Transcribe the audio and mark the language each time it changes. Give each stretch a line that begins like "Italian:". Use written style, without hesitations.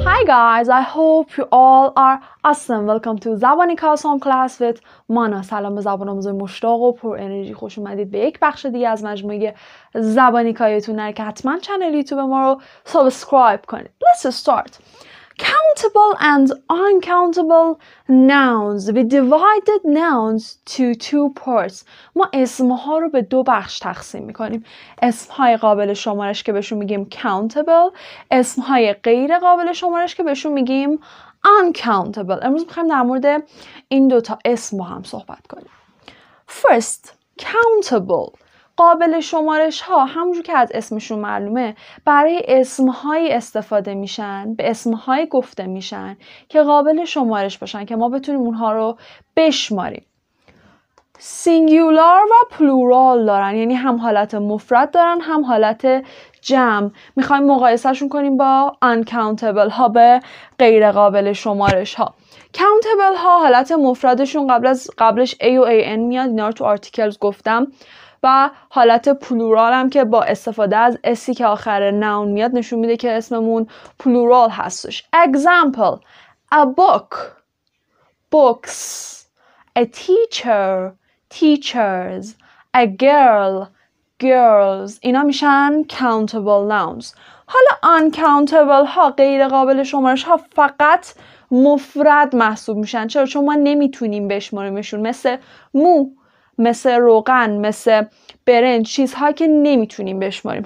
English: guys, I hope you all are awesome. Welcome to Zabanika song class with Mana.
Persian: سلام به زبان آموز مشتاق و پر انرژی. خوش اومدید به یک بخش دیگه از مجموعه زبانیکایتون. که حتما کانال یوتیوب ما رو سابسکرایب کنید.
English: Let's start. Countable and uncountable nouns. We divided nouns to two parts.
Persian: ما اسمها رو به دو بخش تقسیم میکنیم. اسمهای قابل شمارش که بهشون میگیم countable. اسمهای غیر قابل شمارش که بهشون میگیم uncountable. امروز میخوایم در مورد این دوتا اسم با هم صحبت کنیم.
English: First, countable.
Persian: قابل شمارش ها همونجور که از اسمشون معلومه برای اسمهایی استفاده میشن، به اسمهایی گفته میشن که قابل شمارش باشن که ما بتونیم اونها رو بشماریم. سینگولار و پلورال دارن، یعنی هم حالت مفرد دارن هم حالت جمع. میخوایم مقایسهشون کنیم با uncountable ها، به غیر قابل شمارش ها. countable ها حالت مفردشون قبلش a و an میاد، اینا رو تو آرتیکلز گفتم، و حالت پلورال هم که با استفاده از اسی که آخر نون میاد نشون میده که اسممون پلورال هستش.
English: Example: a book, books; a teacher, teachers; a girl, girls.
Persian: اینا میشن countable nouns. حالا uncountable ها، غیر قابل شمارش ها، فقط مفرد محسوب میشن. چرا؟ چون ما نمیتونیم بشماریمشون، مثل مو، مثل روغن، مثل برنج، چیزها که نمیتونیم بشماریم.